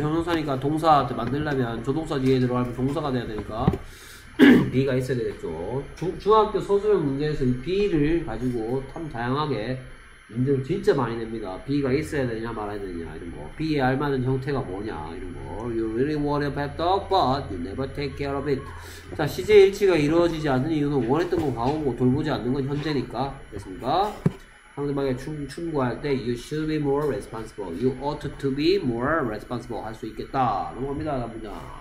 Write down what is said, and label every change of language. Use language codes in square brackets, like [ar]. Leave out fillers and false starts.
[ko] 형용사니까 동사 만들려면 조동사 뒤에 들어가면 동사가 돼야 되니까 B가 있어야 되겠죠. 중학교 서술형 문제에서 이 B를 가지고 참 다양하게 문제를 진짜 많이 냅니다. B가 있어야 되냐 말아야 되냐 이런 거. B에 알맞은 형태가 뭐냐 이런 거. [en] You really want a pet dog, but you never take care of it. [ko] 자, 시제 일치가 이루어지지 않는 이유는 원했던 건 과거고 돌보지 않는 건 현재니까 됐습니까? 상대방의 충고할 때 [en] You should be more responsible. You ought to be more responsible. [ko] 할 수 있겠다. 넘어갑니다, 다음 문장.